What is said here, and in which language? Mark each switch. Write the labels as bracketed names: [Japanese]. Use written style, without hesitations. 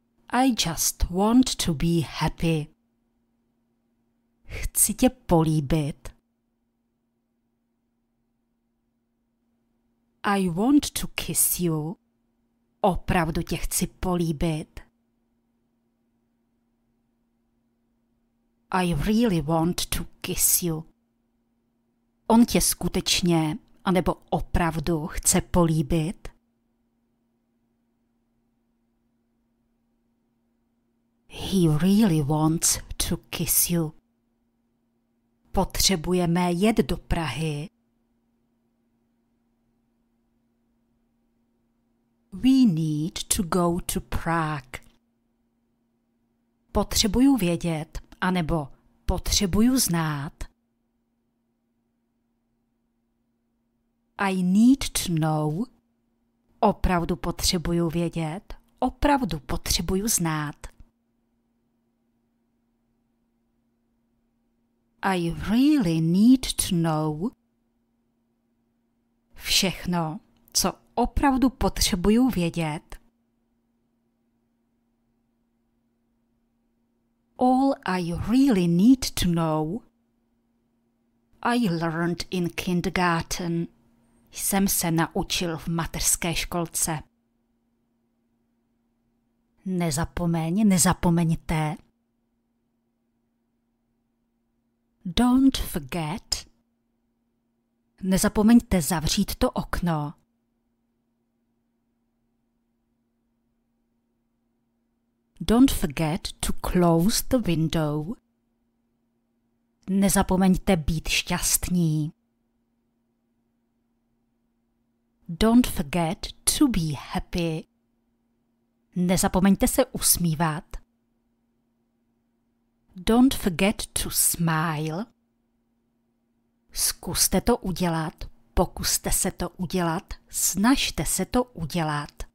[English] I just want to be happy. [Czech] Chci tě políbit. [English] I want to kiss you. [Czech] Opravdu tě chci políbit. [English] I really want to kiss you. [Czech] On tě skutečně, anebo opravdu chce políbit. [English] He really wants to kiss you. [Czech] Potřebujeme jet do Prahy. [English] We need to go to Prague. [Czech] Potřebuju vědět, anebo potřebuju znát. [English] I need to know. [Czech] Opravdu potřebuju vědět, opravdu potřebuju znát. [English] I really need to know. [Czech] Všechno, co opravdu potřebuju vědět. [English] All I really need to know. I learned in kindergarten. [Czech] Jsem se naučil v mateřské školce. Nezapomeň, nezapomeňte. [English] Don't forget. [Czech] Nezapomeňte zavřít to okno. [English] Don't forget to close the window. [Czech] Nezapomeňte být šťastní. [English] Don't forget to be happy. [Czech] Nezapomeňte se usmívat. [English] Don't forget to smile. [Czech] Zkuste to udělat, pokuste se to udělat, snažte se to udělat.